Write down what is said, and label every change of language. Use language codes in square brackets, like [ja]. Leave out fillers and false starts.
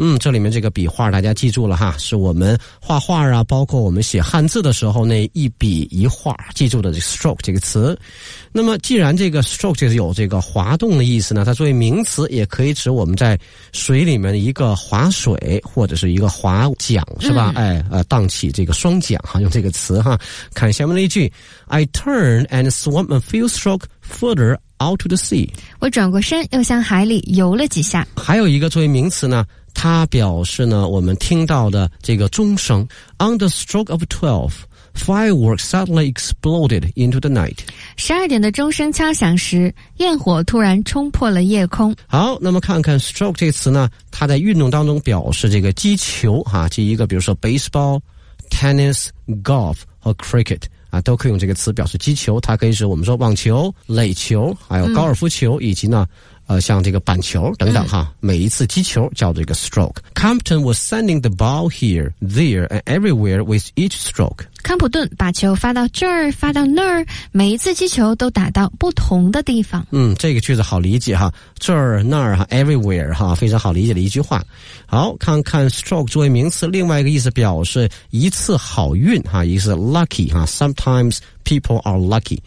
[zh] 这里面这个笔画大家记住了哈，是我们画画啊，包括我们写汉字的时候那一笔一画记住的 stroke 这个词。那么既然这个 stroke 就是有这个滑动的意思呢，它作为名词也可以指我们在水里面的一个滑水或者是一个滑桨，是吧？荡起这个双桨哈，用这个词哈。看下面的一句。 [en] I turn and swam a few stroke further out to the sea。 [zh] 我转过身又向海里游了几下。还有一个作为名词呢，它表示呢我们听到的这个钟声。 [en] On the stroke of 12 Fireworks suddenly exploded into the night. [zh] 12点的钟声敲响时，焰火突然冲破了夜空。好，那么看看 stroke 这词呢，它在运动当中表示这个击球啊，击一个比如说 baseball, tennis, golf 和 cricket。啊，都可以用这个词表示击球，它可以是我们说网球、垒球，还有高尔夫球，以及呢，像这个板球等等哈。每一次击球叫这个 stroke。 [en] Compton was sending the ball here, there, and everywhere with each stroke. [zh] 康普顿把球发到这儿，发到那儿，每一次击球都打到不同的地方。嗯，这个句子好理解哈，这儿那儿哈 ，everywhere 哈，非常好理解的一句话。好，看看 stroke 作为名词，另外一个意思表示一次好运哈，一次 lucky 哈 ， [en] sometimes people are lucky.